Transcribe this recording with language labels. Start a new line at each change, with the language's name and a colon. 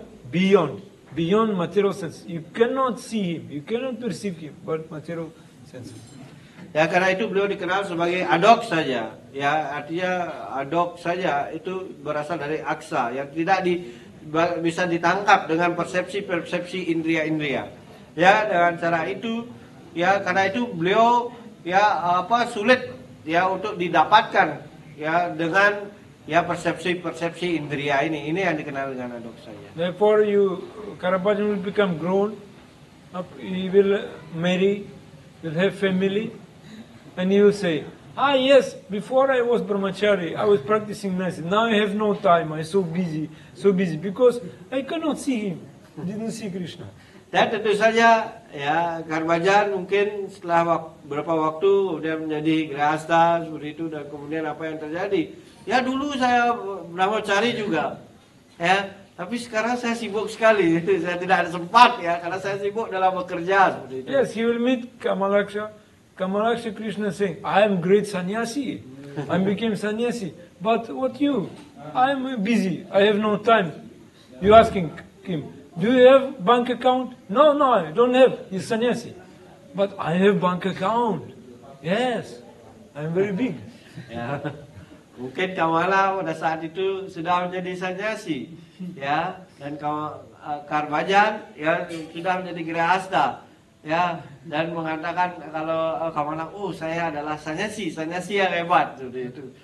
English: Beyond material senses. You cannot see him, you cannot perceive him, but material senses.
Indonesian: Ya, karena itu beliau dikenal sebagai Adok saja. Ya, artinya Adok saja itu berasal dari Aksa yang tidak di, bisa ditangkap dengan persepsi-persepsi indria-indria. Ya, dengan cara itu, ya karena itu beliau ya apa sulit ya untuk didapatkan ya dengan ya persepsi-persepsi indria ini yang dikenal dengan Adok saja.
English: Therefore you Karabajan will become grown up, he will marry, will have family. And you say, ah yes, before I was brahmachari, I was practicing medicine. Now I have no time, I'm so busy, because I cannot see him, didn't see Krishna.
Indonesian: Dan tentu saja, ya, Karbajan mungkin setelah beberapa waktu, kemudian menjadi grihastha, seperti itu, dan kemudian apa yang terjadi. Ya, dulu saya brahmachari juga, ya, tapi sekarang saya sibuk sekali, saya tidak ada sempat, ya, karena saya sibuk dalam bekerja, seperti itu.
English: Yes, he will meet Kamalaksha. Kamalaksha Krishna saying, I am great sannyasi, I became sannyasi, but what you? I am busy, I have no time. You asking him, do you have bank account? No, I don't have, he's sannyasi. But I have bank account, yes, I am very big.
Indonesian: Ya. Mungkin Kamala pada saat itu sudah menjadi sannyasi, ya, dan Karbajan ya, sudah menjadi grihastha. Ya, dan mengatakan kalau Kamala, oh saya adalah sanyasi yang hebat, seperti itu.